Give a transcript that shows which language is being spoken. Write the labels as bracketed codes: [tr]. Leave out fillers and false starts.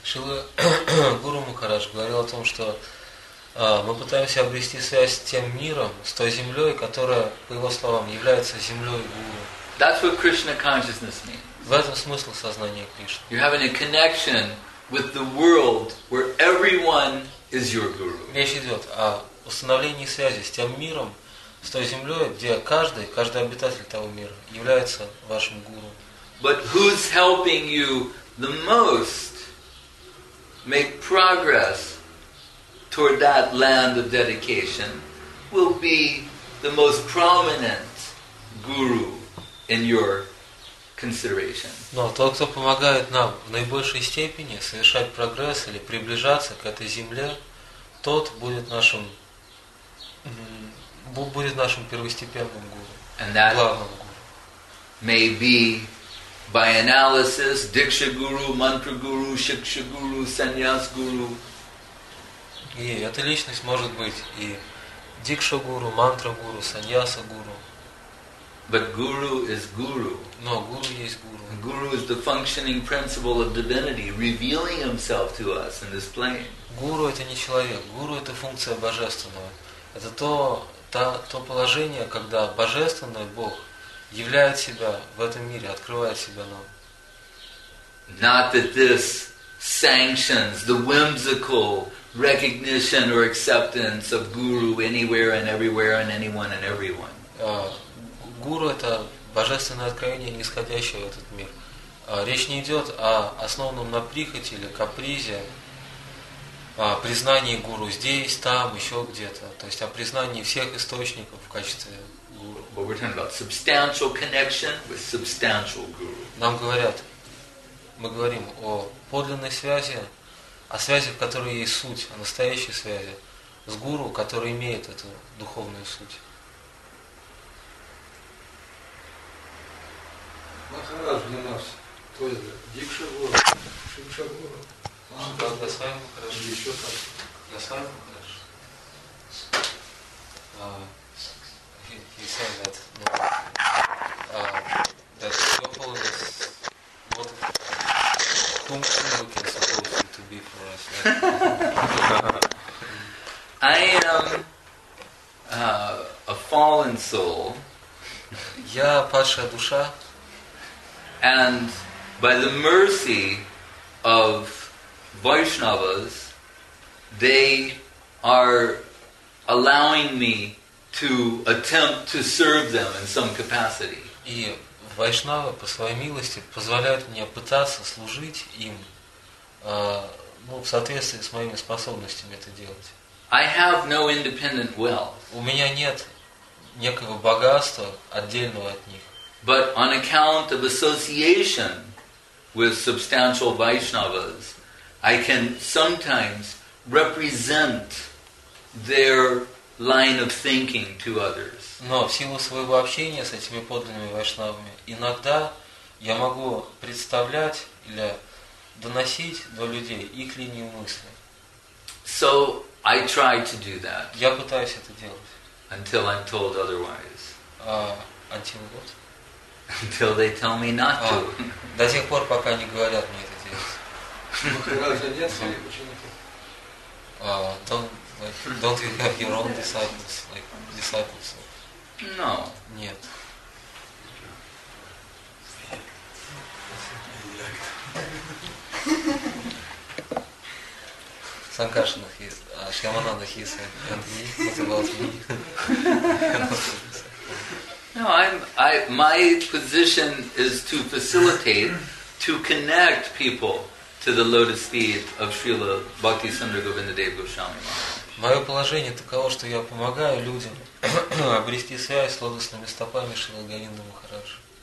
[ru] Srila Guru Maharaj говорил о том, что мы пытаемся обрести связь с тем миром, с той землей, которая, по его словам, является землей гуру. [en] That's what Krishna consciousness means. [ru] В этом смысл сознания Кришны. [en] You're having a connection with the world where everyone is your guru. [ru] Речь идет о установлении связи с тем миром, с той землей, где каждый обитатель того мира является вашим гуру. [en] But who's helping you the most make progress toward that land of dedication will be the most prominent guru in your consideration. [ru] Но тот, кто помогает нам в наибольшей степени совершать прогресс или приближаться к этой земле, тот будет нашим будет нашим первостепенным гуру, главным гуру. [en] May be by analysis, Diksha Guru, Mantra Guru, Shiksha Guru, Sannyas Guru. [ru] и эта личность может быть и дикша гуру, мантра гуру, саньяса гуру. [en] But guru is guru. [ru] Но гуру есть гуру. [en] Guru is the functioning principle of divinity, revealing himself to us in this plane. [ru] Гуру это не человек, гуру это функция божественного. Это то положение, когда божественный Бог являет себя в этом мире, открывает себя нам. [en] Not that this sanctions the whimsical recognition or acceptance of guru anywhere and everywhere and anyone and everyone. [ru] Гуру – это божественное откровение, нисходящее в этот мир. Речь не идет о основанном на прихоти или капризе, о признании гуру здесь, там, еще где-то. То есть о признании всех источников в качестве гуру. [en] But we're talking about substantial connection with substantial guru. [ru] Нам говорят, мы говорим о подлинной связи, о связи, в которой есть суть, о настоящей связи с гуру, который имеет эту духовную суть. Махарадж для нас, то есть дикша гуру, шимша гуру, мантра гуру. Да, с вами Махарадж. Еще так. Да, с вами Махарадж. [en] He said that. No. That Gopal is what whom you can suppose you to be for us. I am a fallen soul. [ru] Я падшая душа. [en] And by the mercy of Vaishnavas, they are allowing me to attempt to serve them in some capacity. [ru] И Вайшнавы по своей милости позволяют мне пытаться служить им, ну, в соответствии с моими способностями это делать. [en] I have no independent wealth. [ru] У меня нет некого богатства отдельного от них. [en] But on account of association with substantial Vaishnavas, I can sometimes represent their line of thinking to others. [ru] Но в силу своего общения с этими подлинными вайшнавами, иногда я могу представлять или доносить до людей их линию мысли. [en] So I try to do that. [ru] Я пытаюсь это делать. [en] Until I'm told otherwise. Until what? Until they tell me not to. [ru] До тех пор, пока не говорят мне это делать. [en] Don't you have your own disciples? Like disciples? No. [ru] Нет. [en] Sankarsana, Shyamananda, he is and me. What about me? No, my position is to facilitate, to connect people to the lotus feet of Srila Bhakti Sundara Govindadeva Goswami Maharaj. [ru] Мое положение таково, что я помогаю людям обрести связь с лотосными стопами Шрилы Говинда Махараджа.